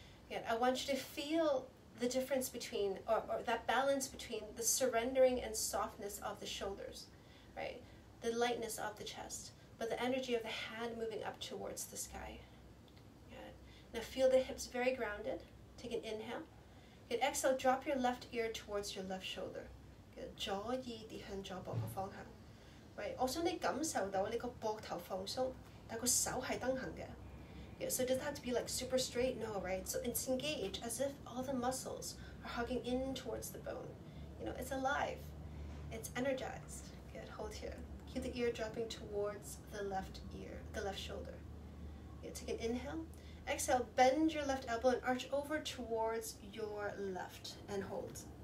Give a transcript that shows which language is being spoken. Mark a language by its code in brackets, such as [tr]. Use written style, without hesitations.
[en] Yeah, I want you to feel the difference between, or that balance between the surrendering and softness of the shoulders, right? The lightness of the chest, but the energy of the hand moving up towards the sky. Good. Now feel the hips very grounded. Take an inhale. Good. Exhale, drop your left ear towards your left shoulder. [yue] Good. 左耳跌向左膊嘅方向.Right. 我想你感受到你个膊头放松，但个手系蹬行嘅. [en] Yeah, so it doesn't have to be like super straight, no, right? So it's engaged as if all the muscles are hugging in towards the bone. You know, it's alive. It's energized. Good, hold here. Keep the ear dropping towards the left ear, the left shoulder. Yeah, take an inhale. Exhale, bend your left elbow and arch over towards your left and hold.